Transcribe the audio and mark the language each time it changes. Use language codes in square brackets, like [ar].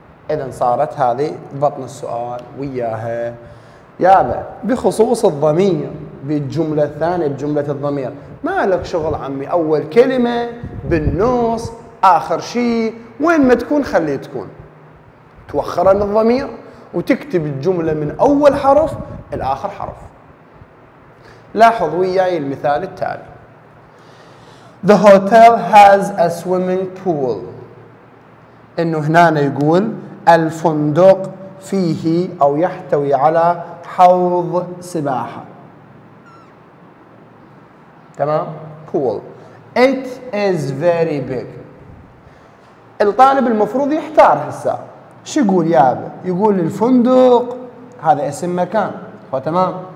[ar] اذا صارت هذه بطن السؤال وياها يابا بخصوص الضمير بالجملة الثانية بجملة الضمير ما لك شغل عمي أول كلمة بالنص آخر شيء وين ما تكون خليه تكون توخر عن الضمير وتكتب الجملة من أول حرف إلى آخر حرف. لاحظ وياي المثال التالي: [en] The hotel has a swimming pool. [ar] إنه هنا يقول الفندق فيه أو يحتوي على حوض سباحة. تمام؟ [en] pool. It is very big. [ar] الطالب المفروض يحتار هسا. شو يقول يابا؟ يقول الفندق هذا اسم مكان، فتمام.